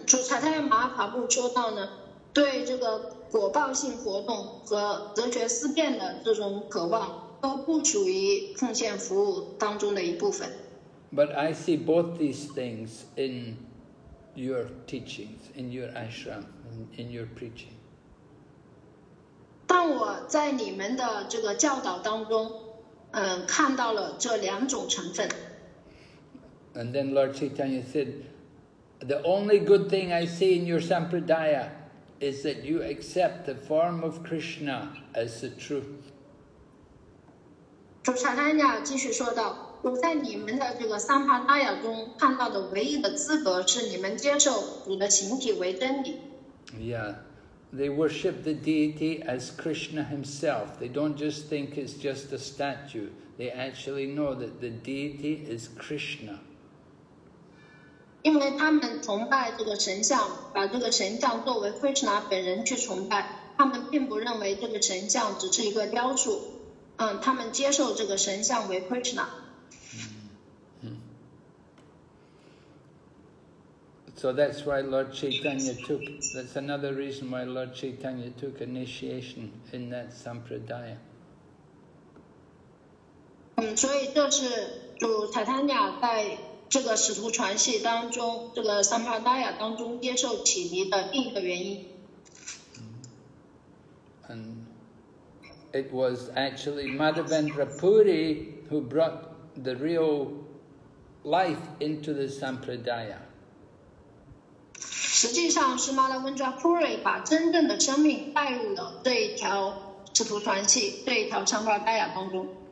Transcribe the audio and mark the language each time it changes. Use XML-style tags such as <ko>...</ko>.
<zh>主查泰马法布说到呢，对这个果报性活动和哲学思辨的这种渴望，都不属于奉献服务当中的一部分。</zh> <en>But I see both these things in your teachings, in your ashram, in your preaching.</en> <zh>但我在你们的这个教导当中。看到了这两种成分。</zh> <en>And then Lord Chaitanya said, "The only good thing I see in your sampradaya is that you accept the form of Krishna as the truth."</en> <zh>主查坦雅继续说道：“我在你们的这个三帕拉雅中看到的唯一的资格是你们接受主的形体为真理。”</zh> <en>Yeah. They worship the deity as Krishna himself. They don't just think it's just a statue. They actually know that the deity is Krishna.</en> <zh>因为他们崇拜这个神像，把这个神像作为 Krishna 本人去崇拜。他们并不认为这个神像只是一个雕塑。他们接受这个神像为 Krishna。</zh> <en>So that's why Lord Chaitanya took, that's another reason why Lord Chaitanya took initiation in that sampradaya.</en> <zh>所以这是主坦坦雅在这个使徒传系当中这个桑帕达雅当中接受启迷的另一个原因。And</zh> <en>it was actually Madhavendra Puri who brought the real life into the sampradaya.</en> <zh>实际上是 Madhavendra Puri 把真正的生命带入了这一条使徒传系，这一条桑帕达雅当中。</zh>